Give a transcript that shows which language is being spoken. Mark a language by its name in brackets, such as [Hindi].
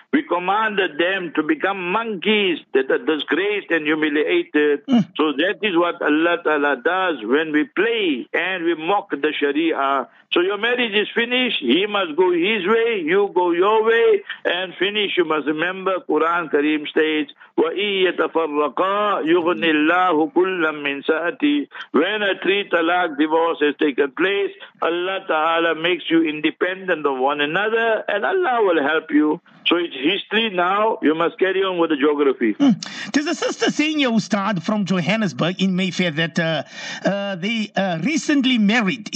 [English] We commanded them to become monkeys that are disgraced and humiliated. So that is what Allah Ta'ala does when we play and we mock the Sharia. So your marriage is finished. He must go his way, you go your way, and finish. You must remember, Quran Kareem states, [Arabic] وَإِن يَتَفَرَّقَا يُغْنِ اللَّهُ كُلًّا مِّن سَأَتِي. [English] When a 3 talaq divorce has taken place, Allah Ta'ala makes you independent of one another, and Allah will help you. So it's history now. You must carry on with the geography. There's a sister saying here, Ustad, from Johannesburg in Mayfair, that they recently married.